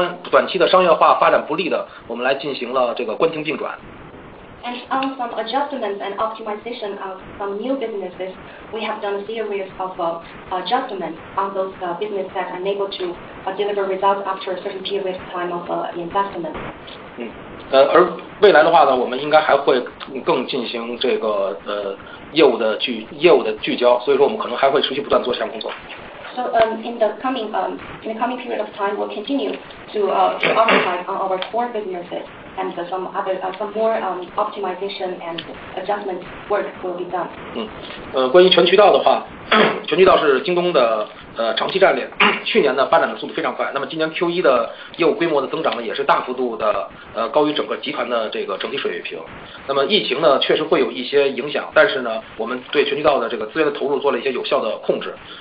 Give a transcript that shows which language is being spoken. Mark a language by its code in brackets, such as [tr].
[zh] 短期的商业化发展不利的，我们来进行了这个关停并转。 [en] And on some adjustments and optimization of some new businesses, we have done a series of adjustments on those businesses that are unable to deliver results after a certain period of time of investment. [zh] 而未来的话呢，我们应该还会更进行这个业务的聚焦，所以说我们可能还会持续不断做这项工作。 [en] So in the coming period of time, we'll continue to optimize on our core businesses and some more optimization and adjustment work will be done. [zh] 关于全渠道的话，全渠道是京东的长期战略。去年呢发展的速度非常快，那么今年 Q1 的业务规模的增长呢也是大幅度的高于整个集团的这个整体水平。那么疫情呢确实会有一些影响，但是呢我们对全渠道的这个资源的投入做了一些有效的控制。